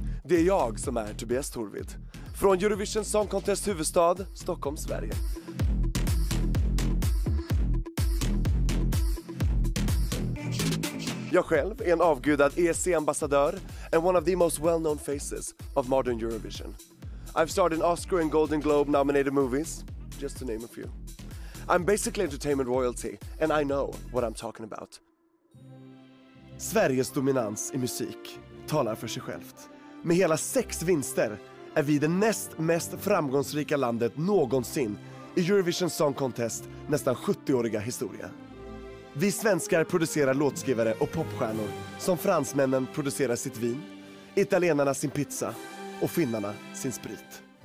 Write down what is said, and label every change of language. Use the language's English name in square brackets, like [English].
[Swedish] Det är jag som är Tobias Torvid från Eurovision Song Contest huvudstad Stockholm, Sverige. Jag själv är en avgudad ESC-ambassadör [English] and one of the most well-known faces of modern Eurovision. I've starred in Oscar and Golden Globe nominated movies, just to name a few. I'm basically entertainment royalty and I know what I'm talking about. [Swedish] Sveriges dominans i musik talar för sig självt. Med hela 6 vinster är vi det näst mest framgångsrika landet någonsin i Eurovision Song Contest nästan 70-åriga historia. Vi svenskar producerar låtskrivare och popstjärnor som fransmännen producerar sitt vin, italienarna sin pizza och finnarna sin sprit.